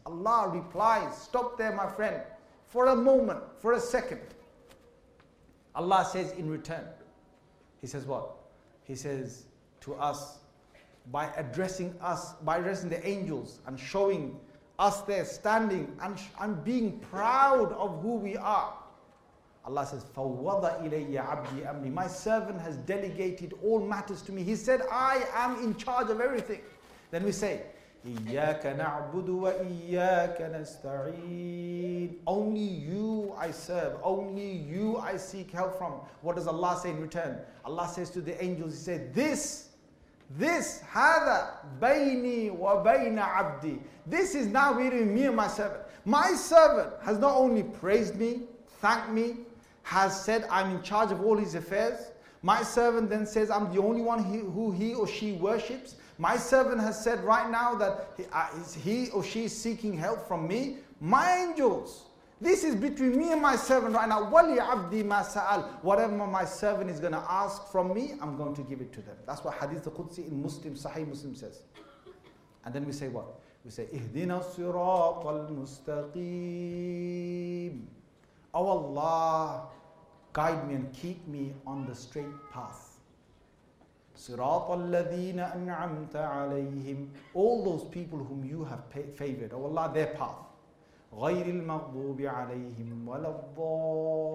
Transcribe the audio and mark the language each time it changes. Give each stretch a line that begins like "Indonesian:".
English: Allah replies, stop there, my friend, for a moment, for a second. Allah says in return, He says what? He says to us, by addressing us, by addressing the angels and showing us there standing and being proud of who we are. Allah says,
Arabic: فَوَّضَ إِلَيَّ عَبْدِي أَمْرِي.
English: My servant has delegated all matters to me. He said, I am in charge of everything. Then we say,
Arabic: إِيَّاكَ نَعْبُدُ وَإِيَّاكَ نَسْتَعِينَ.
English: Only you I serve. Only you I seek help from. What does Allah say in return? Allah says to the angels, He said, This,
Arabic: هذا بيني وبين عبدي.
English: This is now between me and my servant. My servant has not only praised me, thanked me, has said I'm in charge of all his affairs. My servant then says I'm the only one who he or she worships. My servant has said right now that he or she is seeking help from me. My angels, this is between me and my servant right now.
Arabic: Wali abdi ma sa'al.
English: Whatever my servant is going to ask from me, I'm going to give it to them. That's what Hadith al-Qudsi in Muslim, Sahih Muslim says. And then we say what? We say,
Arabic: Ihdina sirat al-mustaqim.
English: Oh Allah, guide me and keep me on the straight path.
Arabic: Sirat al-ladhina an'amta alayhim.
English: All those people whom you have favored, oh Allah, their path.
Arabic: غير المغضوب عليهم ولا الضالين.